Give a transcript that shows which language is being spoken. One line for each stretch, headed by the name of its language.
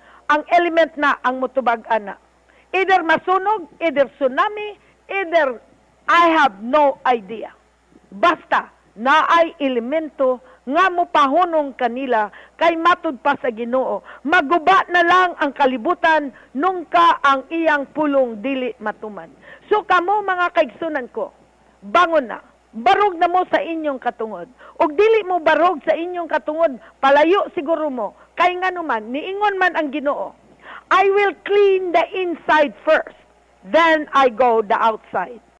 Cebuano: Ang element na ang motubag ana.
English: Either masunog, either tsunami, either I have no idea.
Cebuano: Basta, naay elemento nga mupahunong kanila kay matud pa sa Ginoo. Maguba na lang ang kalibutan nungka ang iyang pulong dili matuman. So kamo mga kaigsunan ko, bangon na. Barog na mo sa inyong katungod. Og dili mo barog sa inyong katungod, palayo siguro mo. Kay nga naman, niingon man ang Ginoo.
English: I will clean the inside first, then I go the outside.